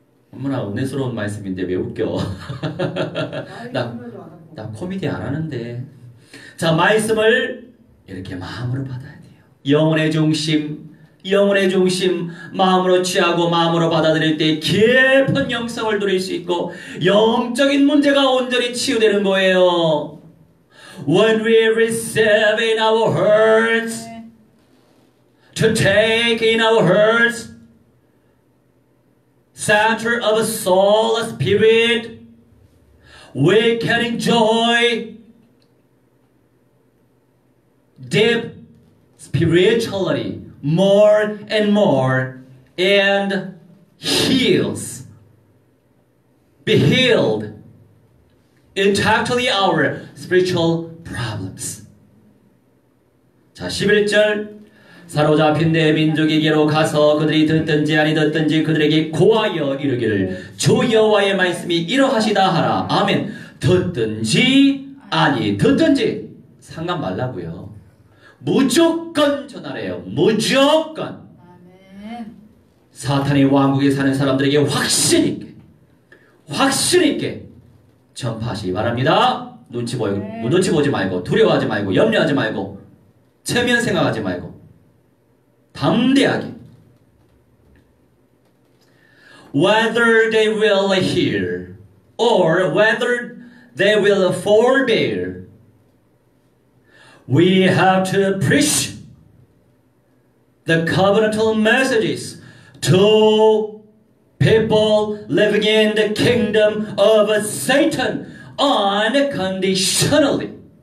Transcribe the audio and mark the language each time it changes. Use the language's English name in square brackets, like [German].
[Korean] 너무나 은혜스러운 말씀인데 매우 웃겨. 나 코미디 안 하는데. 자, 말씀을 이렇게 마음으로 받아야 돼요. 영혼의 중심. 영혼의 중심, 마음으로 취하고 마음으로 받아들일 때 깊은 영성을 누릴 수 있고 영적인 문제가 온전히 치유되는 거예요. [English] When we receive in our hearts, to take in our hearts, center of a soul, a spirit, we can enjoy deep spirituality. More and more, and heals, be healed, intactly our spiritual problems. [Korean] 자, 11절. 사로잡힌 내 민족에게로 가서 그들이 듣든지 아니 듣든지 그들에게 고하여 이르기를 주 여호와의 말씀이 이러하시다 하라. 아멘. 듣든지 아니 듣든지 상관 말라고요. 무조건 전하래요. 무조건. 아멘. 사탄이 왕국에 사는 사람들에게 확신 있게, 확신 있게 전파하시기 바랍니다. 눈치 보이고, 네. 눈치 보지 말고, 두려워하지 말고, 염려하지 말고, 체면 생각하지 말고, 담대하게. [English] Whether they will hear or whether they will forbear. We have to preach the covenantal messages to people living in the kingdom of Satan unconditionally.